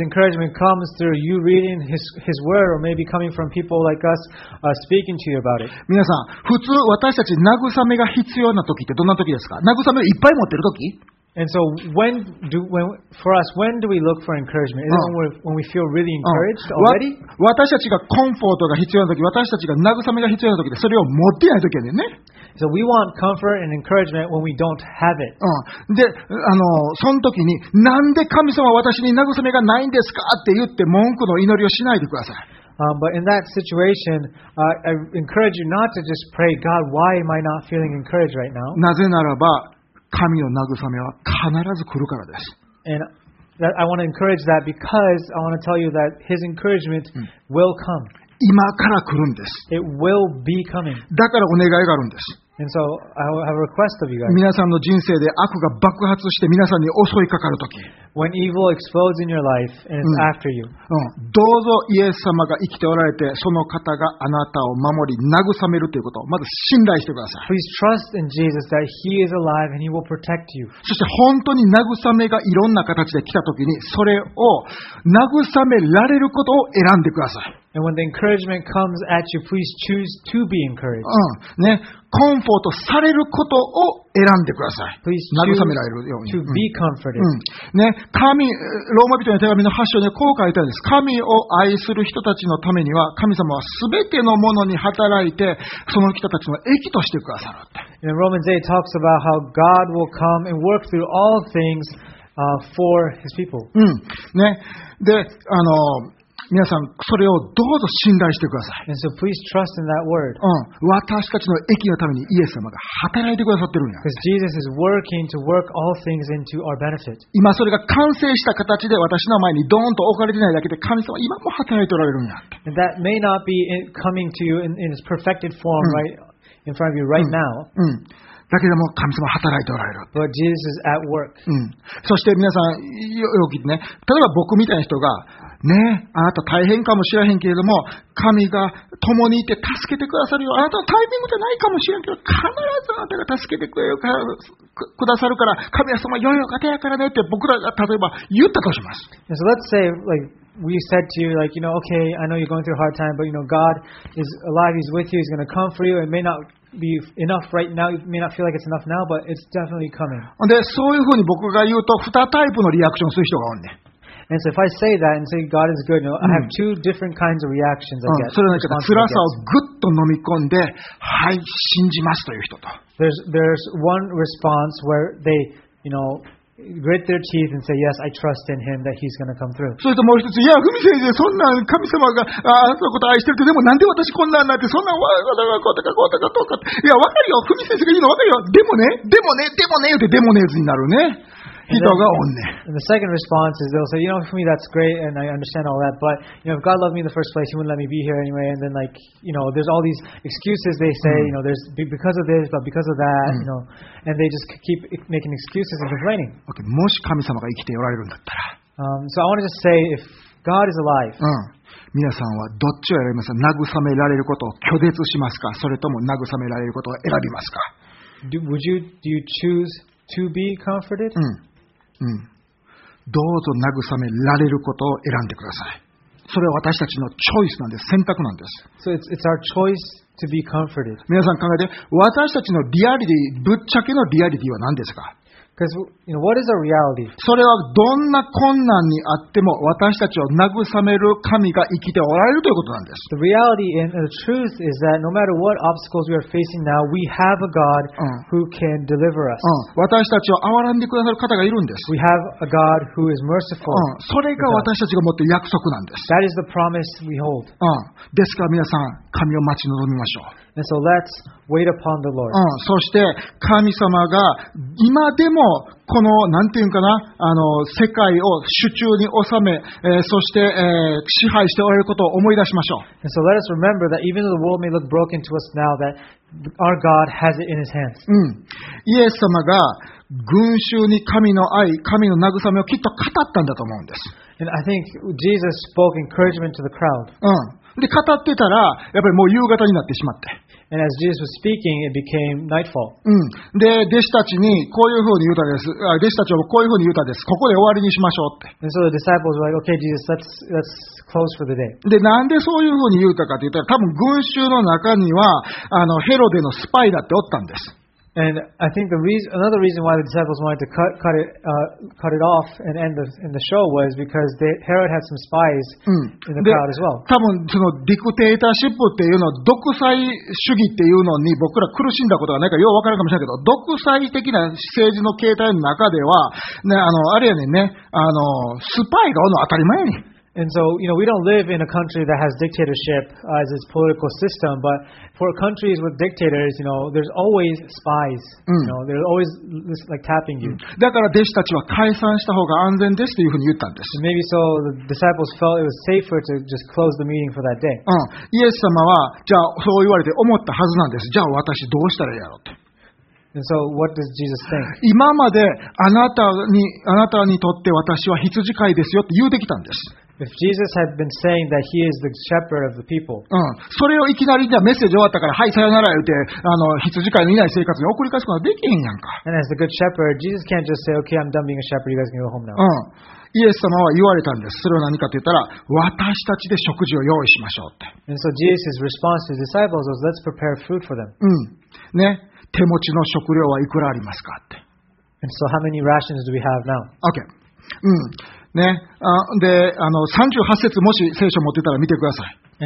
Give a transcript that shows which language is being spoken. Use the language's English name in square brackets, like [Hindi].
[English] His encouragement comes through you reading his word, or maybe coming from people like us, speaking to you about it. [Japanese] 皆さん、普通私たち慰めが必要な時ってどんな時ですか？慰めをいっぱい持ってる時？ [English] And so when do we look for encouragement? Is it when we feel really encouraged already? [Japanese] 私たちがコンフォートが必要な時、私たちが慰めが必要な時で、それを持ってない時やね。 [English] So we want comfort and encouragement when we don't have it. [Japanese] で、その時に、なんで神様私に慰めがないんですかって言って文句の祈りをしないでください。 [English] But in that situation, I encourage you not to just pray, God, why am I not feeling encouraged right now? [Japanese] なぜならば、神の慰めは必ず来るからです。 [English] And I want to encourage that because I want to tell you that His encouragement will come. [Japanese] 今から来るんです。 [English] It will be coming. [Japanese] だからお願いがあるんです。 [English] And so I have a request of you guys. [Japanese] 皆さんの人生で悪が爆発して皆さんに襲いかかるとき。 [English] When evil explodes in your life and it's after you. [Japanese] どうぞイエス様が生きておられて、その方があなたを守り、慰めるということをまず信頼してください。 [English] Please trust in Jesus that He is alive and He will protect you. [Japanese] そして本当に慰めがいろんな形で来たときに、それを慰められることを選んでください。 [English] And when the encouragement comes at you, please choose to be encouraged. [Japanese] ね、コンフォートされることを選んでください。慰められるように。 [English] To be comforted. [Japanese] ね、神、ローマ人の手紙の8章にこう書いてあるんです。神を愛する人たちのためには、神様はすべてのものに働いて、その人たちの益としてくださるって。 [English] In Romans 8 talks about how God will come and work through all things, for his people. [Japanese] ね、で、皆さんそれをどうぞ信頼してください。 [English] And so please trust in that word. [Japanese] うん、私たちの益のためにイエス様が働いてくださってるんや。 [English] Because Jesus is working to work all things into our benefit. [Japanese] 今それが完成した形で私の前にドーンと置かれてないだけで神様今も働いておられるんや。 [English] And that may not be coming to you in its perfected form、うん、right in front of you right now.、 [Japanese] うんうんだけども神様働いておられる。 [English] But Jesus is at work. うん。 [Japanese] そして皆さん、よくね、例えば僕みたいな人が、ね、あなた大変かもしれへんけれども、神が共にいて助けてくださるよ。あなたのタイミングじゃないかもしれんけど、必ずあなたが助けてくださるから、神様、良いお方やからねって僕らが例えば言ったとします。 [English] So let's say, like,We said to you, like, you know, okay, I know you're going through a hard time, but you know, God is alive, He's with you, He's going to come for you. It may not be enough right now, it may not feel like it's enough now, but it's definitely coming. [Japanese] で、そういうふうに僕が言うと、二タイプのリアクションをする人がおんね。 [English] And so if I say that and say God is good, you know, I have two different kinds of reactions, I guess. [Japanese] それはなんか辛さをぐっと飲み込んで、はい、信じますという人と。 [English] There's one response where they, you know,grit their teeth and say, "Yes, I trust in Him that He's going to come through." [Japanese] そしてもう一つ、いや、ふみ先生、そんな神様があなたのこと愛してるって、でもなんで私こんなんなって、そんなわがだがこうとかこうとかとか、いや、わかるよ、ふみ先生が言うのわかるよ、でもね、でもね、でもねってデモネーズになるね、人がおんね。 [English] And the second response is they'll say, "You know, for me that's great and I understand all that, but you know, if God loved me in the first place, He wouldn't let me be here anyway." And then like, you know, there's all these excuses they say,、mm-hmm. you know, there's because of this, but because of that,、mm-hmm. you know. And they just keep making excuses and complaining. [Japanese] Okay, もし神様が生きておられるんだったら。 [English] So I want to just say, if God is alive,、 [Japanese] うん、皆さんはどっちを選びますか？慰められることを拒絶しますか？それとも慰められることを選びますか？ [English] Do you choose to be comforted? うん、うん。 [Japanese] どうぞ慰められることを選んでください。それは私たちのチョイスなんです。選択なんです。 [English] So it's our choice. To be comforted. [Japanese] 皆さん考えて、私たちのリアリティ、ぶっちゃけのリアリティは何ですか？ [English] Because, you know, what is our reality? [Japanese] それはどんな困難にあっても私たちを慰める神が生きておられるということなんです。 [English] The reality and the truth is that no matter what obstacles we are facing now, we have a God who can deliver us. [Japanese] 私たちを憐れんでくださる方がいるんです。 [English] We have a God who is merciful. [Japanese] それが私たちが持っている約束なんです。 [English] That is the promise we hold. [Japanese] ですから皆さん、神を待ち望みましょう。 [English] And so let's wait upon the Lord. [Japanese] そして神様が今でもこのなんていうかなあの世界を手中に収め、そして、支配しておられることを思い出しましょう。 [English] And so let us remember that even though the world may look broken to us now, that our God has it in His hands. [Japanese] イエス様が群衆に神の愛、神の慰めをきっと語ったんだと思うんです。 [English] And I think Jesus spoke encouragement to the crowd. [Japanese] で語ってたらやっぱりもう夕方になってしまって。 [English] And as Jesus was speaking, it became nightfall. [Japanese] で弟子たちにこういうふうに言ったです。弟子たちはこういうふうに言ったです。ここで終わりにしましょうって。 [English] And so the disciples were like, "Okay, Jesus, let's close for the day." [Japanese] でなんでそういうふうに言ったかって言ったら、多分群衆の中にはあのヘロデのスパイだっておったんです。 [English] And I think another reason why the disciples wanted to cut it off and end the show was because Herod had some spies in the crowd as well. [Japanese] 多分そのディクテーターシップっていうのは独裁主義っていうのに僕ら苦しんだことがないかよう分からんかもしれないけど、独裁的な政治の形態の中では、ね、あの、あれやねんね、あの、スパイがおるの当たり前やねん。 [English] And so, you know, we don't live in a country that has dictatorship as its political system, but for countries with dictators, you know, there's always spies. You know, there's always like tapping you. [Japanese] だから弟子たちは解散した方が安全ですというふうに言ったんです。 [English] Maybe so the disciples felt it was safer to just close the meeting for that day. [Japanese] イエス様はじゃあそう言われて思ったはずなんです。じゃあ私どうしたらいいやろうと。 [English] And so, what does Jesus think? [Japanese] 今まであなたに、あなたにとって私は羊飼いですよって言うてきたんです。 [English] If Jesus had been saying that He is the shepherd of the people, [Japanese] それをいきなりじゃメッセージ終わったからはいさよなら言ってあの羊飼いのいない生活に送り返すことはできへんやんか。 [English] And as the good shepherd, Jesus can't just say, "Okay, I'm done being a shepherd. You guys can go home now." [Japanese] イエス様は言われたんです。それは何かと言ったら、私たちで食事を用意しましょうって。 [English] And so Jesus' response to his disciples was, "Let's prepare food for them." [Japanese] ね、手持ちの食料はいくらありますかって。 [English] And so how many rations do we have now? Okay. [Japanese] ね、あで、あの、38節もし聖書持ってたら見てください。